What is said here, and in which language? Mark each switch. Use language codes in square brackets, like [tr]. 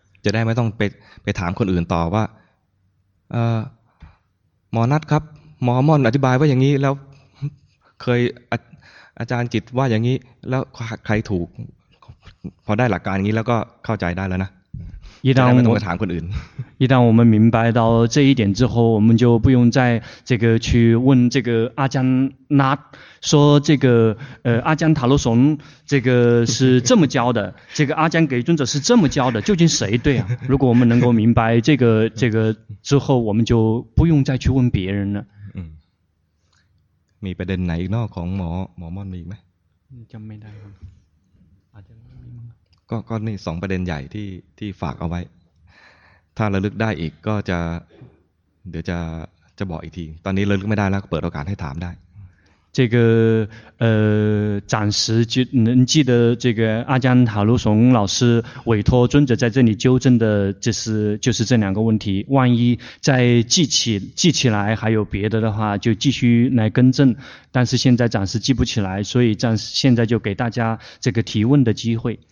[th] จะได้ไม่ต้องไปถามคนอื่นต่อว่าหมอนัทครับหมอม่อนอธิบายว่าอย่างนี้แล้วเคยอาจารย์จิตว่าอย่างนี้แล้วใครถูกพอได้หลักการนี้แล้วก็เข้าใจได้แล้วนะ จะได้ไม่ต้อง ไปถามคนอื่น [zh] 一旦我们明白到这一点之后，我们就不用再这个去问这个阿江那说这个阿江塔罗松这个是这么教的，这个阿江给尊者是这么教的，究竟谁对啊？如果我们能够明白这个之后，我们就不用再去问别人了。 [th] มีประเด็นไหนอีกนอกของหมอม่อนมีอีกไหม จำไม่ได้ครับอาจจะไม่มีมั้ง ก็นี่สองประเด็นใหญ่ที่ฝากเอาไว้ถ้าระลึกได้อีกก็จะเดี๋ยวจะบอกอีกทีตอนนี้ระลึกไม่ได้แล้วเปิดโอกาสให้ถามได้ [zh] 这个暂时就能记得这个阿江塔卢松老师委托尊者在这里纠正的就是这两个问题，万一再记起来还有别的话就继续来更正，但是现在暂时记不起来，所以现在就给大家这个提问的机会。